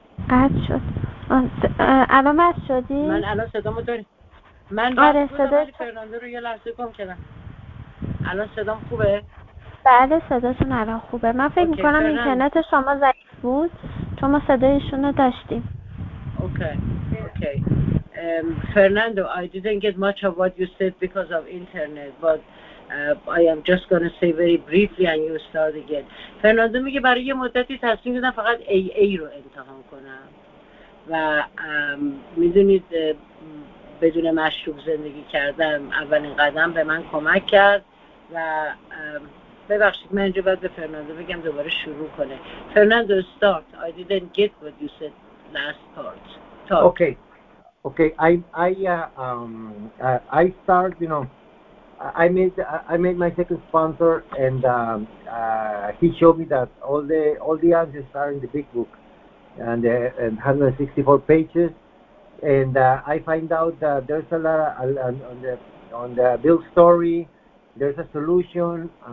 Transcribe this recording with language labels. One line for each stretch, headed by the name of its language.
Persian: قطع شد. الان مست شدی؟ من الان صدامو داریم. من آره صدای فرناندو رو یه لحظه گم کردم. الان صدام خوبه؟ بله صداشون الان خوبه. من فکر میکنم اینترنت شما ضعیف بود چون ما صدایشون رو داشتیم.
English: Okay. Fernando, I didn't get much of what you said because of internet, but I am just going to say very briefly and you start again.
Persian: فرناندو میگه برای یه مدتی تصمیم گرفتم فقط AA رو امتحان کنم و میدونید بدون مشروب زندگی کردم اولین قدم به من کمک کرد و ببخشید من اینجا باید به فرناندو بگم دوباره شروع کنه.
English: Fernando start. I didn't get what you said last part. Talk. Okay. I start, you know, I made my second sponsor, and he showed me that all the answers are in the big book, and 164 pages, and I find out that there's a lot of, on the build story, there's a solution.